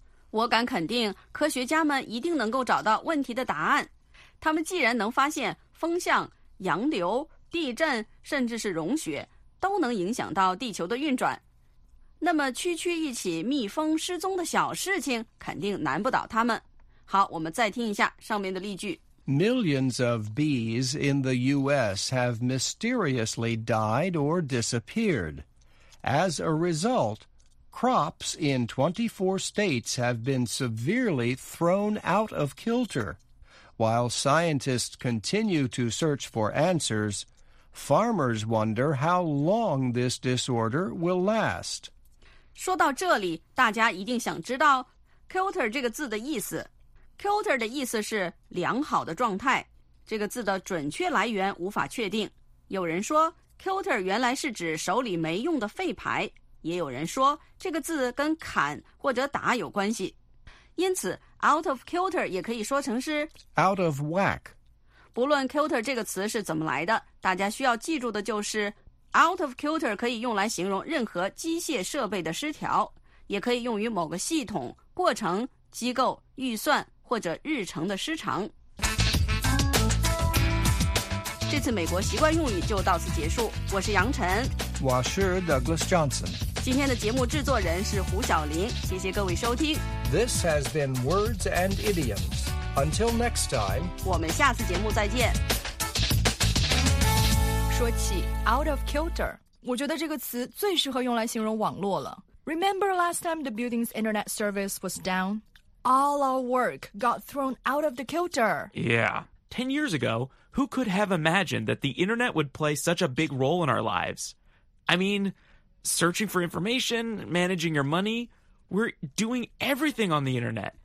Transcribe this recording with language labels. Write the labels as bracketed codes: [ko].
[zh] 我敢肯定，科学家们一定能够找到问题的答案。他们既然能发现风向、洋流、地震，甚至是融雪，都能影响到地球的运转。那么，区区一起蜜蜂失踪的小事情，肯定难不倒他们。好，我们再听一下上面的例句。 [en] Millions of bees in the U.S. have mysteriously died or disappeared. As a result, crops in 24 states have been severely thrown out of kilter. While scientists continue to search for answers, farmers wonder how long this disorder will last. [zh] 说到这里，大家一定想知道 kilter 这个字的意思。 kilter 的意思是良好的状态。这个字的准确来源无法确定。有人说 kilter 原来是指手里没用的废牌，也有人说这个字跟砍或者打有关系。因此out of kilter 也可以说成是 [en] out of whack. [zh] 不论 kilter 这个词是怎么来的，大家需要记住的就是 out of kilter 可以用来形容任何机械设备的失调，也可以用于某个系统、过程、机构、预算或者日程的失常。这次美国习惯用语就到此结束，我是杨晨，我是 Douglas Johnson。今天的节目制作人是胡晓林，谢谢各位收听。 [en] This has been Words and Idioms. Until next time, [zh] 我们下次节目再见。说起 out of kilter, 我觉得这个词最适合用来形容网络了。 [en] Remember last time the building's internet service was down? All our work got thrown out of the kilter. Yeah. 10 years ago, who could have imagined that the internet would play such a big role in our lives? I mean... Searching for information, managing your money, we're doing everything on the internet.